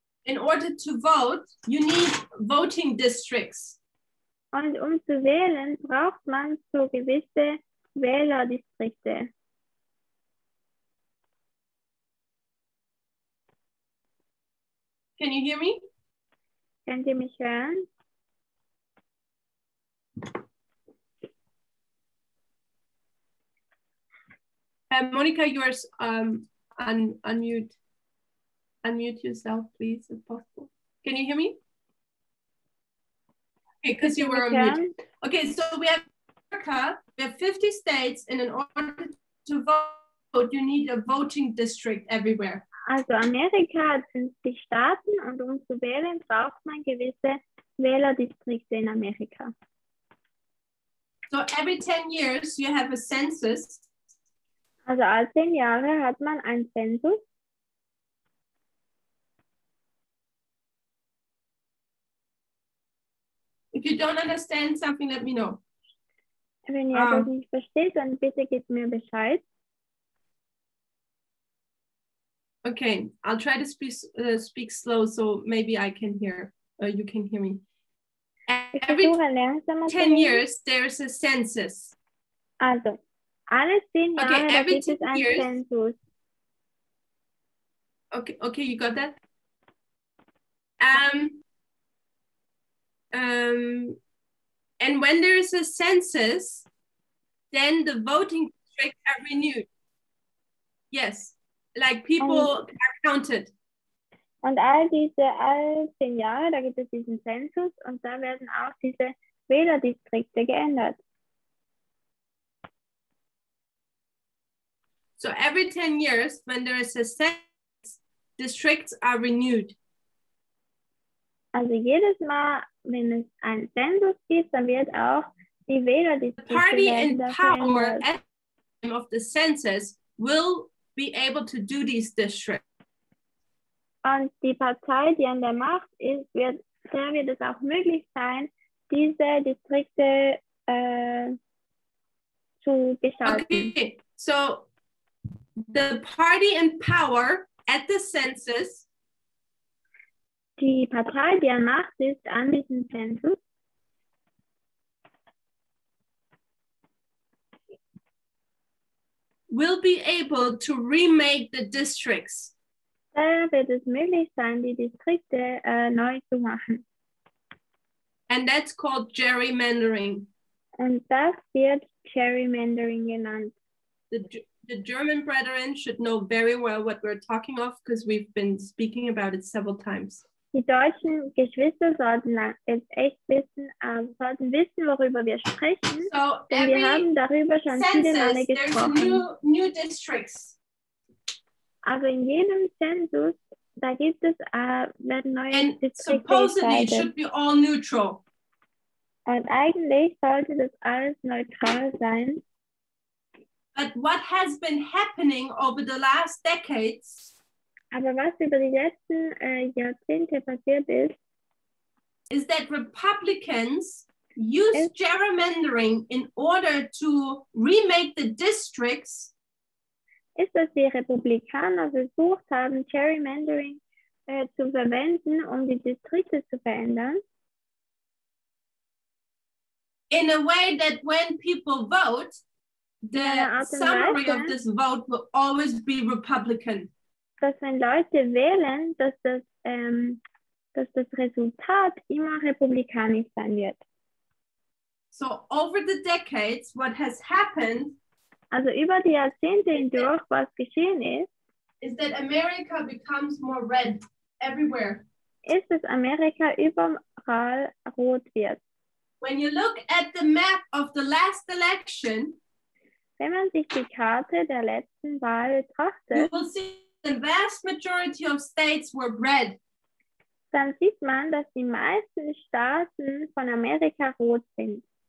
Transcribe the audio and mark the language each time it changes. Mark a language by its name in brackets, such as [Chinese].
[English] in order to vote, you need voting districts. [German] Und zu wählen, braucht man so gewisse Wählerdistrikte. [English] Can you hear me? [German] Könnt ihr mich hören? [English] Monica, yours unmute yourself, please, if possible. Can you hear me? Okay, because you were on mute. Okay, so we have America, we have 50 states, and in order to vote, you need a voting district everywhere. [German] Also Amerika hat 50 Staaten und um zu wählen, braucht man gewisse Wählerdistrikte in Amerika. [English] So every 10 years you have a census. [German] Also alle 10 Jahre hat man einen Zensus. [English] If you don't understand something, let me know. [German] Wenn ihr das nicht versteht, dann bitte gebt mir Bescheid. [English] Okay, I'll try to speak slow so maybe I can hear, you can hear me. Every 10 years there is a census. [German] Also, alle 10 Jahre gibt es einen Census. [English] Okay, you got that? And when there is a census, then the voting districts are renewed. Yes. Like people are counted. [German] Und all 10 Jahre, da gibt es diesen Zensus und da werden auch diese Wählerdistrikte geändert. [English] So every 10 years, when there is a census, districts are renewed. [German] Also jedes Mal, wenn es einen Zensus gibt, dann wird auch die Wählerdistrikte geändert. [English] The party in power at the time of the census will be able to do these districts. [German] Und die Partei, die an der Macht ist, wird es auch möglich sein, diese Distrikte zu gestalten. [English] Okay, so the party in power at the census. [German] Die Partei, die an Macht ist, an diesem Zensus. [English] Will be able to remake the districts. [German] Da wird es möglich sein, die Distrikte neu zu machen. [English] And that's called gerrymandering. [German] Und das wird gerrymandering genannt. [English] The German brethren should know very well what we're talking of, because we've been speaking about it several times. [German] Die deutschen Geschwister sollten wissen, worüber wir sprechen. [English] So [German] denn wir haben darüber schon viele Male gesprochen. [English] New districts. [German] Also in jedem Zensus, da gibt es werden neue [English] and [German] Distrikte. [English] And supposedly it should be all neutral. [German] Und eigentlich sollte das alles neutral sein. [English] But what has been happening over the last decades? [German] Aber was über die letzten Jahrzehnte passiert ist, [English] is that Republicans use gerrymandering in order to remake the districts. [German] Ist, dass die Republikaner versucht haben, gerrymandering zu verwenden, um die Distrikte zu verändern. [English] In a way that when people vote, the summary of this vote will always be Republican. [German] Dass wenn Leute wählen, dass das Resultat immer republikanisch sein wird. [English] So over the decades, what has happened? [German] Also über die Jahrzehnte hindurch, was geschehen ist, [English] is that America becomes more red everywhere. [German] Ist, dass Amerika überall rot wird. [English] When you look at the map of the last election, [German] wenn man sich die Karte der letzten Wahl betrachtet, [English] you will see the vast majority of states were red. [German] Dann sieht man, dass die meisten Staaten von Amerika rot sind.